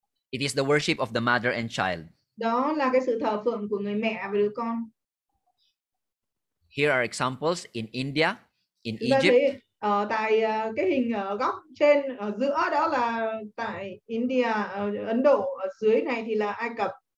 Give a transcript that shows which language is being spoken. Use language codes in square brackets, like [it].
[en] It is the worship of the mother and child. [vi] Đó là cái sự thờ phượng của người mẹ và đứa con. [en] Here are examples in India, in Egypt. [vi] Ở tại cái hình ở góc trên ở giữa đó là tại India, Ấn Độ, ở dưới này thì là Ai Cập.